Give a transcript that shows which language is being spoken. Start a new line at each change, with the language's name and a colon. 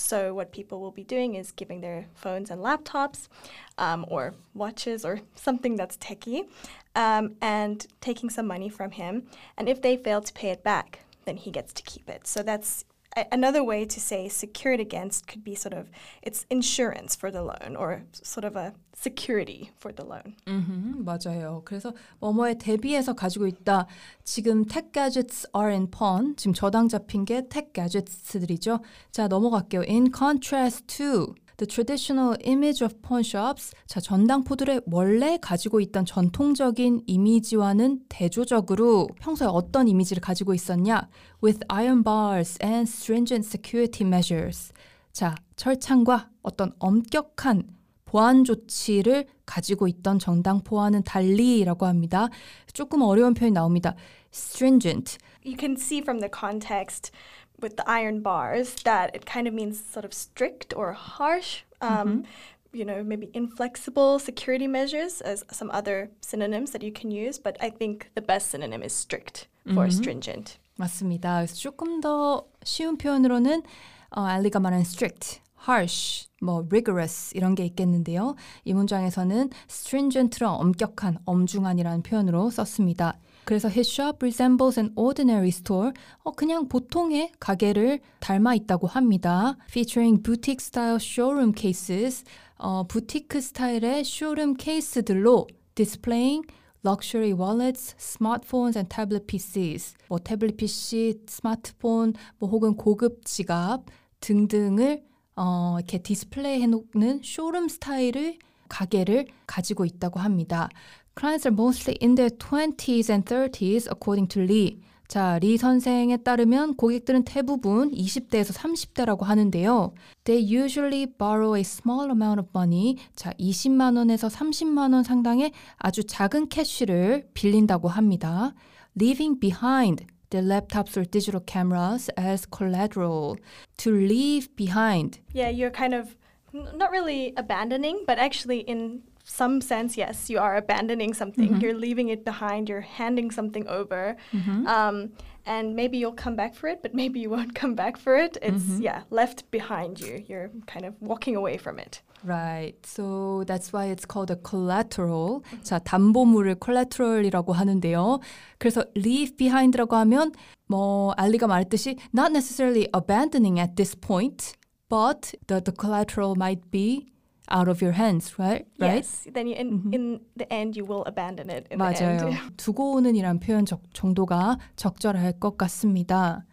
English: So what people will be doing is giving their phones and laptops or watches or something that's techy and taking some money from him. And if they fail to pay it back, then he gets to keep it. So that's another way to say secured against could be sort of it's insurance for the loan or sort of a security for the loan.
Korean: Mm-hmm, 맞아요. 그래서 뭐뭐에 대비해서 가지고 있다. 지금
English: tech gadgets are in pawn.
Korean: 지금 저당 잡힌 게 tech gadgets들이죠. 자, 넘어갈게요.
English: In contrast to the traditional image of pawn shops.
Korean: 자, 전당포들의 원래 가지고 있던 전통적인 이미지와는 대조적으로 평소에 어떤 이미지를 가지고 있었냐?
English: With iron bars and stringent security measures.
Korean: 자, 철창과 어떤 엄격한 보안 조치를 가지고 있던 전당포와는 달리라고 합니다. 조금 어려운 표현이 나옵니다.
English: Stringent. You can see from the context with the iron bars that it kind of means sort of strict or harsh, you know, maybe inflexible security measures as some other synonyms that you can use. But I think the best synonym is strict for stringent.
Korean: 맞습니다. 그래서 조금 더 쉬운 표현으로는 알리가 말한 strict, harsh, 뭐 rigorous 이런 게 있겠는데요. 이 문장에서는 stringent로 엄격한, 엄중한이라는 표현으로 썼습니다.
English: 그래서 his shop resembles an ordinary store.
Korean: 그냥 보통의 가게를 닮아 있다고 합니다.
English: Featuring boutique style showroom cases.
Korean: 부티크 스타일의 쇼룸 케이스들로
English: displaying luxury wallets, smartphones and tablet PCs.
Korean: 뭐 태블릿 PC, 스마트폰, 뭐 혹은 고급 지갑 등등을 이렇게 디스플레이 해놓는 쇼룸 스타일을 가게를 가지고 있다고 합니다.
English: Clients are mostly in their 20s and 30s according to Lee.
Korean: 자, 리 선생에 따르면 고객들은 대부분 20대에서 30대라고 하는데요.
English: They usually borrow a small amount of money.
Korean: 자, 20만 원에서 30만 원 상당의 아주 작은 캐시를 빌린다고 합니다.
English: Leaving behind their laptops or digital cameras as collateral. To leave behind. Yeah, you're kind of not really abandoning, but actually in some sense, yes, you are abandoning something. Mm-hmm. You're leaving it behind. You're handing something over. Mm-hmm. And maybe you'll come back for it, but maybe you won't come back for it. It's, mm-hmm. yeah, left behind you. You're kind of walking away from it. Right. So that's why it's called a collateral. Mm-hmm.
Korean: 자, 담보물을 collateral이라고 하는데요. 그래서 leave behind라고 하면 뭐 알리가 말했듯이
English: not necessarily abandoning at this point, but the collateral might be out of your hands, right? Yes. Right? Then you, in the end, you will abandon it. In
Korean: 맞아요.
English: The end.
Korean: 두고 오는이란 표현 정도가 적절할 것 같습니다.